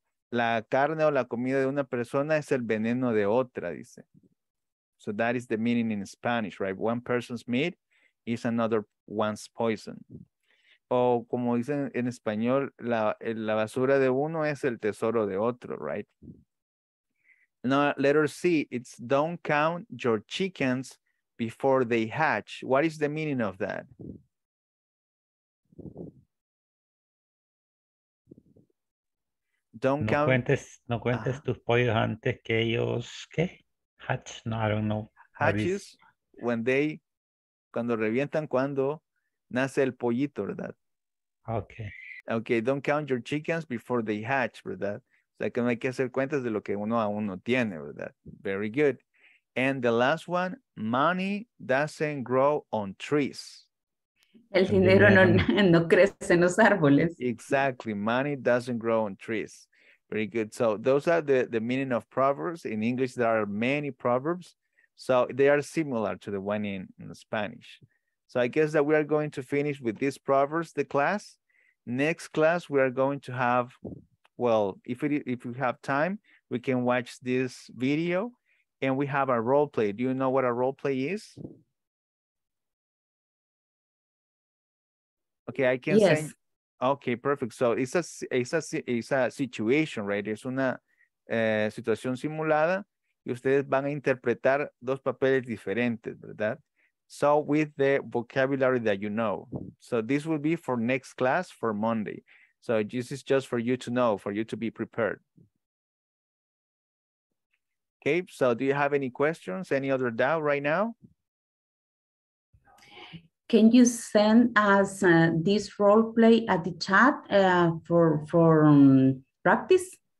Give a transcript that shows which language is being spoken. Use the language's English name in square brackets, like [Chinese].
[Spanish] La carne o la comida de una persona es el veneno de otra, dice. [English] So that is the meaning in Spanish, right? One person's meat is another one's poison. [Spanish] O como dicen en español, la basura de uno es el tesoro de otro, right? [English] Now, letter C, it's don't count your chickens before they hatch. What is the meaning of that? Don't count. [Spanish] No cuentes tus pollos antes que ellos, ¿qué? [English] Hatch, no, I don't know. Hatches, when they... [Spanish] Cuando revientan, cuando nace el pollito, ¿verdad? [English] Okay, don't count your chickens before they hatch, ¿verdad? [Spanish] O sea, que no hay que hacer cuentas de lo que uno aún no tiene, ¿verdad? [English] Very good. And the last one, money doesn't grow on trees. El dinero no crece en los árboles. Exactly, money doesn't grow on trees. Very good. So those are the meaning of proverbs. In English, there are many proverbs. So they are similar to the one in Spanish. So I guess that we are going to finish with these proverbs, the class. Next class, we are going to have, well, if we have time, we can watch this video and we have a role play. Do you know what a role play is? Okay, I can say. Okay, perfect. So it's a situation, right? [Spanish] Es una situación simulada. Y ustedes van a interpretar dos papeles diferentes, ¿verdad? [English] So with the vocabulary that you know. So this will be for next class for Monday. So this is just for you to know, for you to be prepared. Okay, so do you have any questions, any other doubt right now? Can you send us this role play at the chat for practice?